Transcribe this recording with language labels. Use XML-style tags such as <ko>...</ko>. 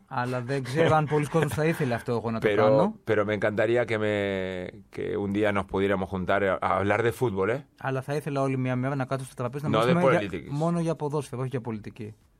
<el>Αλλά δεν ξέρω αν πολλοί κόσμοι θα ήθελε αυτό εγώ να το κάνω.</el> <es>Pero me encantaría que un día nos pudiéramos juntar a hablar de fútbol.</es> <el>Αλλά θα ήθελα όλη μια μέρα να κάτω στο τραπέζι να μιλήσουμε μόνο για ποδόσφαιρο, όχι για πολιτική.</el>